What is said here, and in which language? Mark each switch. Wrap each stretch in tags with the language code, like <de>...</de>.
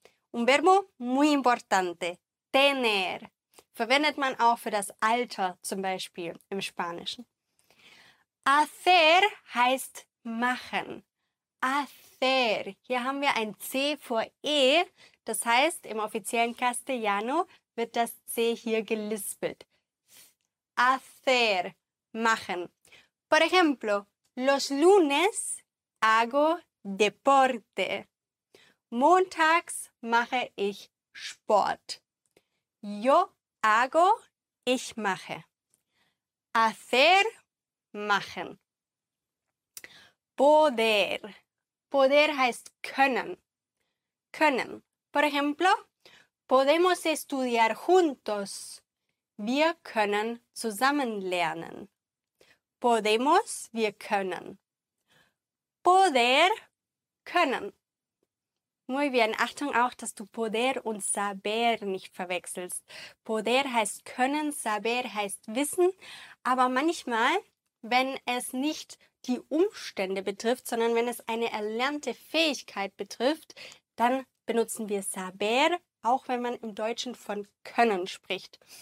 <es>Un verbo muy importante,</es> <de>tener, verwendet man auch für das Alter, zum Beispiel im Spanischen. Hacer heißt machen. Hacer, hier haben wir ein C vor E, das heißt im offiziellen Castellano wird das C hier gelispelt. Hacer, machen.</de> <es>Por ejemplo, los lunes hago deporte.</es> <de>Montags mache ich Sport.</de> <es>Yo hago,</es> <de>ich mache. Hacer, machen. Poder. Poder heißt können. Können.</de> <es>Por ejemplo, podemos estudiar juntos.</es> <de>Wir können zusammen lernen. Podemos, wir können. Poder, können.</de> <es>Muy bien,</es> <de>Achtung auch, dass du poder und saber nicht verwechselst. Poder heißt können, saber heißt wissen. Aber manchmal, wenn es nicht die Umstände betrifft, sondern wenn es eine erlernte Fähigkeit betrifft, dann benutzen wir saber, auch wenn man im Deutschen von können spricht.</de>